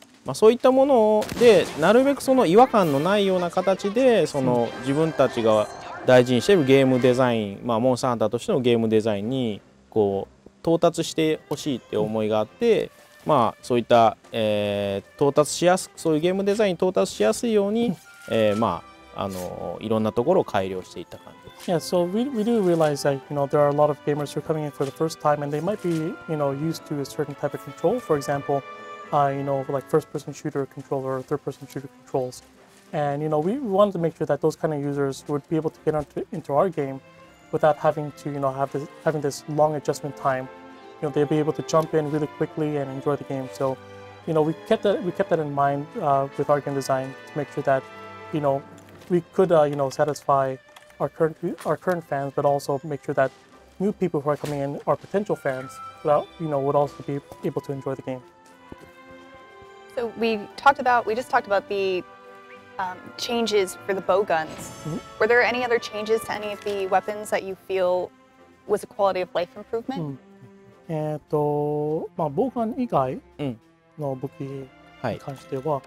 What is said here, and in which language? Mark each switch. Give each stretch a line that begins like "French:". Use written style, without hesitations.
Japanese: まあ、そういったものをでなるべくその違和感のないような形でその自分たちが大事にしてるゲームデザインまあモンスターハンターとしてのゲームデザインにこう到達してほしいって思いがあって。うんまあ、そういった、到達しやすくそういうゲームデザインに到達しやすいように、まあ、いろんなところを改良していった感じです。
English: Yeah, so we do realize that, you know, there are a lot of gamers who are coming in for the first time and they might be, you know, used to a certain type of control. For example, you know, like first person shooter control or third person shooter controls. And you know, we wanted to make sure that those kind of users would be able to get into our game without having to, you know, having this long adjustment time. You know, they'd be able to jump in really quickly and enjoy the game. So, you know, we kept that in mind with our game design to make sure that, you know, we could you know, satisfy our current fans, but also make sure that new people who are coming in are potential fans without, you know, would also be able to enjoy the game. So we just talked about the changes for the bow guns. Mm-hmm. Were there any other changes to any of the weapons that you feel was a quality of life improvement? Mm-hmm.
Japanese: まあ、ボウガン以外の武器に関しては、